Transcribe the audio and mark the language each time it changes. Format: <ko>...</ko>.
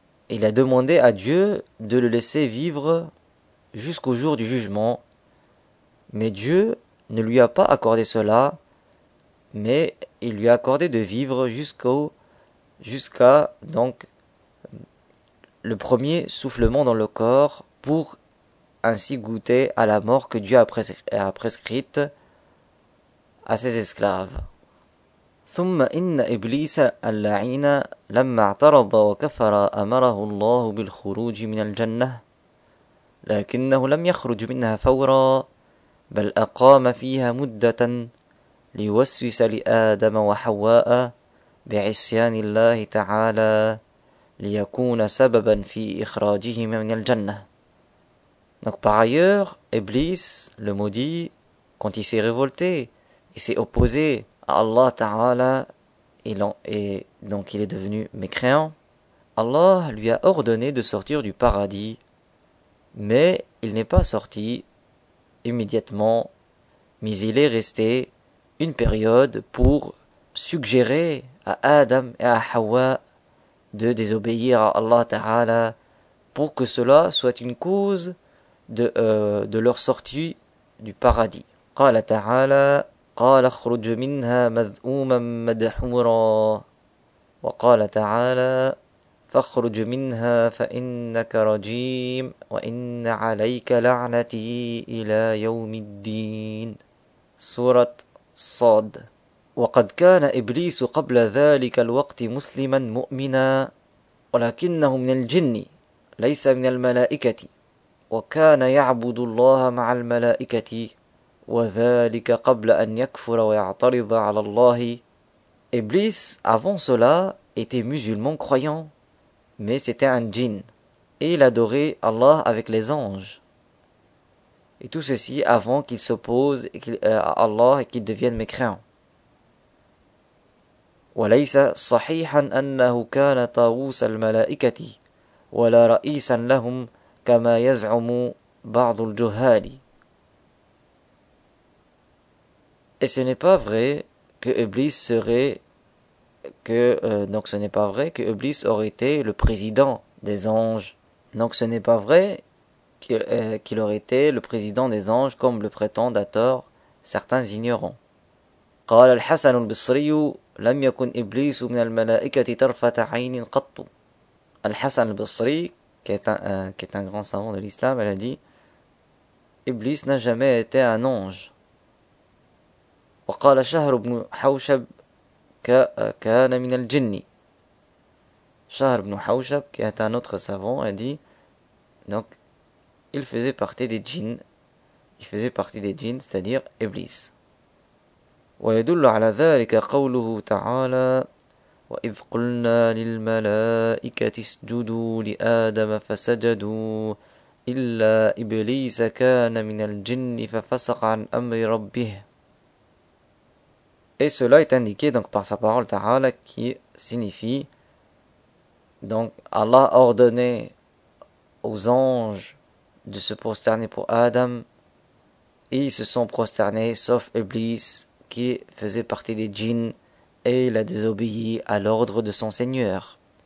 <fr>Il a demandé à Dieu de le laisser vivre jusqu'au jour du jugement, mais Dieu ne lui a pas accordé cela, mais il lui a accordé de vivre jusqu'à le premier soufflement dans le corps, pour ainsi goûter à la mort que Dieu a prescrite à ses esclaves.</fr> <ar>ثم إن إبليس اللعين لما اعترض وكفر أمره الله بالخروج من الجنة لكنه لم يخرج منها فورا بل أقام فيها مدة ليوسوس لآدم وحواء بعصيان الله تعالى ليكون سببا في إخراجهما من الجنة.</ar> <fr>Donc par ailleurs, Iblis, le maudit, quand il s'est révolté et s'est opposé à Allah Ta'ala, et donc il est devenu mécréant, Allah lui a ordonné de sortir du paradis, mais il n'est pas sorti immédiatement, mais il est resté une période pour suggérer à Adam et à Hawa de désobéir à Allah Ta'ala, pour que cela soit une cause de leur sortie du paradis.</fr> <ar>قال تعالى قال اخرج منها مذءوما مدحورا وقال تعالى فاخرج منها فإنك رجيم وإن عليك لعنتي إلى يوم الدين سورة صاد. وقد كان إبليس قبل ذلك الوقت مسلما مؤمنا ولكنه من الجن ليس من الملائكة وكان يعبد الله مع الملائكة وذلك قبل أن يكفر ويعترض على الله.</ar> <fr>إبليس avant cela était musulman croyant, mais c'était un djinn, et il adorait Allah avec les anges. Et tout ceci avant qu'ils s'opposent à Allah et qu'ils deviennent mécréants.</fr> <ar>وليس صحيحا أنه كان طاووس الملائكة ولا رئيسا لهم كما يزعم بعض الجهال.</ar> <fr>Et ce n'est pas vrai que Iblis serait que donc ce n'est pas vrai que Iblis aurait été le président des anges. Donc ce n'est pas vrai qu'il aurait été le président des anges comme le prétendent à tort certains ignorants.</fr> <ar>قال الحسن البصري لم يكن إبليس من الملائكة طرفة عين قط.</ar> <fr>الحسن البصري qui est un grand savant de l'islam, elle a dit Iblis n'a jamais été un ange.</fr> <ar>وقال شهر بن حوشب كان من الجن.</ar> <fr>شهر بن حوشب qui est un autre savant, a dit donc il faisait partie des djinns. Il faisait partie des djinns, c'est-à-dire Iblis.</fr> <ar>ويدل على ذلك قوله تعالى وإذ قلنا للملائكة اسجدوا لآدم فسجدوا إلا إبليس كان من الجن ففسق عن أمر ربه.</ar> <fr>Et cela est indiqué donc par sa parole ta'ala qui signifie donc Allah a ordonné aux anges de se prosterner pour Adam et ils se sont prosternés sauf Iblis qui faisait partie des djinns et il a désobéi à l'ordre de son seigneur.</fr>